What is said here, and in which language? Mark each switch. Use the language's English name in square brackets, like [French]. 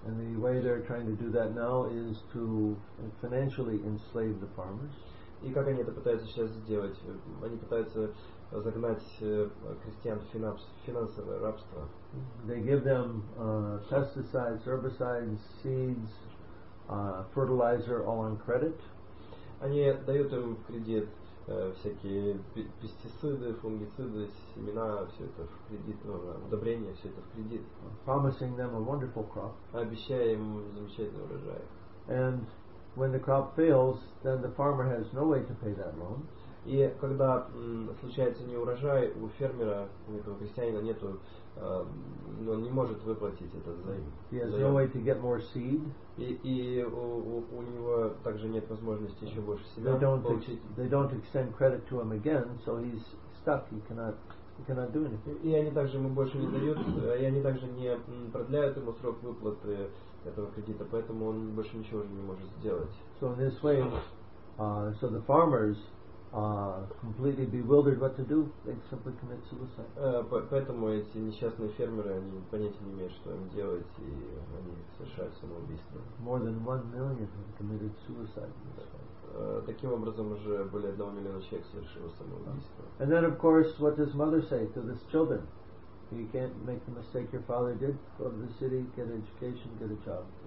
[English] And the way they're trying to do that now is to financially enslave the farmers. [Russian] И как они это пытаются сейчас сделать? Они пытаются загнать крестьян в финансовое рабство. [English] They give them pesticides, herbicides, seeds, fertilizer all on credit. [Russian] Они дают им в кредит всякие пестициды, фунгициды, семена, все это в кредит, удобрения, все это в кредит. [English] Promising them a wonderful crop. [Russian] Обещая им замечательный урожай. [English] And when the crop fails, then the farmer has no way to pay that loan. [Russian] И когда случается неурожай, у фермера, у этого крестьянина нету, он не может выплатить этот займ. [English] He has no way to get more seed. [Russian] И у него также нет возможности еще больше себя получить. [English] They don't extend credit to him again, so he's stuck. He cannot do anything. [Russian] И они также ему больше не дают, и они также не продляют ему срок выплаты этого кредита, поэтому он больше ничего уже не может сделать. [English] So in this way, so the farmers completely bewildered what to do, they simply commit suicide. [Russian] Поэтому эти несчастные фермеры, они понятия не имеют, что им делать, и они совершают самоубийство. [English] More than 1 million have committed suicide. [Russian] Таким образом, уже более 1 миллиона человек совершило самоубийство. [English] And then, of course, what does mother say to these children? You can't make the mistake your father did. Go to the city, get an education, get a job.